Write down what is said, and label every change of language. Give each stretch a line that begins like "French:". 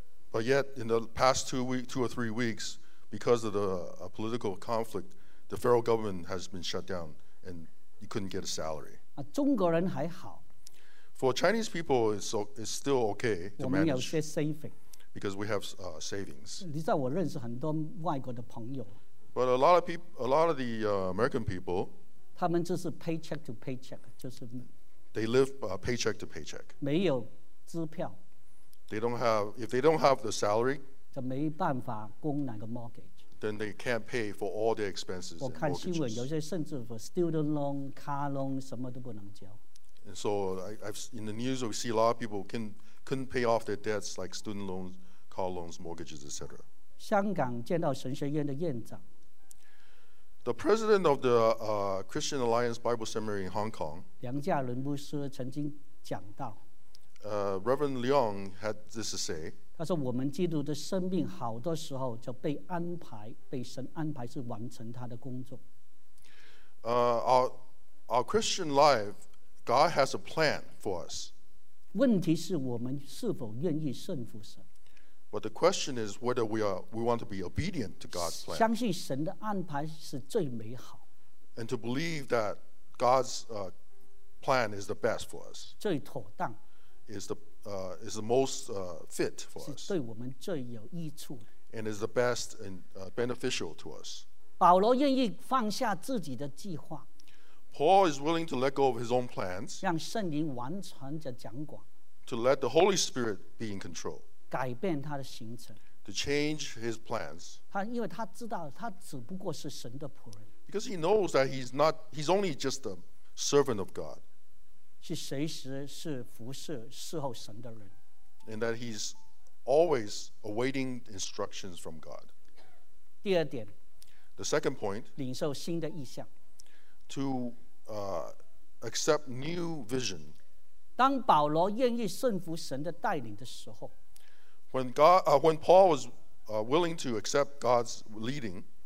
English: But yet, in the past two or three weeks, because of the political conflict, the federal government has been shut down, and you couldn't get a salary.
Chinese: 啊, 中国人还好。
English: For Chinese people, it's still okay to manage.
Chinese: 我们有些saving。
English: Because we have savings.
Chinese: 你知道我认识很多外国的朋友。
English: But a lot of the American people,
Chinese: 他们就是
English: paycheck to paycheck,
Chinese: 就是,
English: they live paycheck to paycheck.
Chinese: 没有支票。
English: If they don't have the salary, then they can't pay for all their expenses.
Chinese: 我看新闻有些甚至
English: for student loan, car loan,
Chinese: 什么都不能交。
English: And so in the news, we see a lot of people couldn't pay off their debts like student loans, car loans, mortgages, etc.
Chinese: 香港见到神学院的院长。
English: The president of the Christian Alliance Bible Seminary in Hong Kong,
Chinese: 梁家伦牧师曾经讲到。
English: Reverend Leong had this to say.
Chinese: 他说我们基督的生命好多时候就被安排，被神安排是完成他的工作。
English: Our Christian life, God has a plan for us.
Chinese: 问题是我们是否愿意顺服神。
English: But the question is whether we want to be obedient to God's plan.
Chinese: 相信神的安排是最美好。
English: And to believe that God's plan is the best for us.
Chinese: 最妥当。
English: is the most fit for us.
Chinese: 是对我们最有益处,
English: and is the best and beneficial to us.
Chinese: 保罗愿意放下自己的计划,
English: Paul is willing to let go of his own plans,
Chinese: 让圣灵完全的掌管,
English: to let the Holy Spirit be in control,
Chinese: 改变他的行程,
English: to change his plans.
Chinese: 因为他知道他只不过是神的仆人,
English: because he knows that he's only just a servant of God.
Chinese: 是随时是服侍侍候神的人。
English: And that he's always awaiting instructions from God.
Chinese: 第二点,
English: the second point,
Chinese: 领受新的意象。
English: To accept new vision.
Chinese: 当保罗愿意顺服神的带领的时候,
English: when Paul was willing to accept God's leading,